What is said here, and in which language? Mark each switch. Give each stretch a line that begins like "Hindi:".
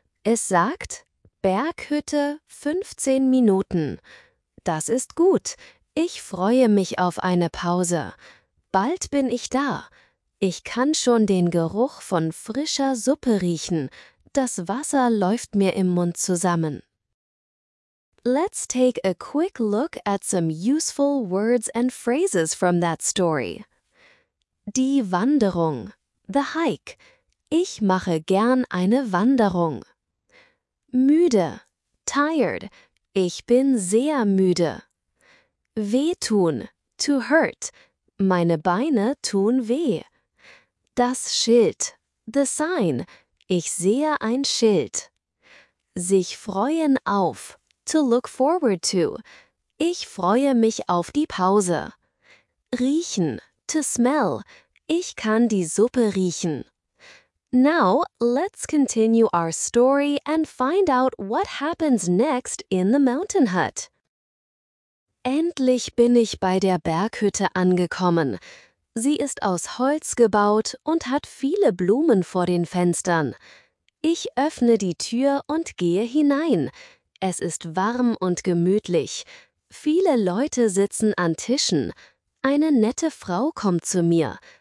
German: Es sagt, Berghütte 15 Minuten. Das ist gut. Ich freue mich auf eine Pause. Bald bin ich da. Ich kann schon den Geruch von frischer Suppe riechen. Das Wasser läuft mir im Mund zusammen.
English: Let's take a quick look at some useful words and phrases from that story.
German: Die Wanderung,
English: the hike.
German: Ich mache gern eine Wanderung. Müde,
English: tired.
German: Ich bin sehr müde. Wehtun,
English: to hurt.
German: Meine Beine tun weh. Das Schild,
English: the sign.
German: Ich sehe ein Schild. Sich freuen auf,
English: to look forward to.
German: Ich freue mich auf die Pause. Riechen,
English: to smell.
German: Ich kann die Suppe riechen.
English: Now, let's continue our story and find out what happens next in the mountain hut.
German: Endlich bin ich bei der Berghütte angekommen. Sie ist aus Holz gebaut und hat viele Blumen vor den Fenstern. Ich öffne die Tür und gehe hinein. Es ist warm und gemütlich. Viele Leute sitzen an Tischen. Eine nette Frau kommt zu mir.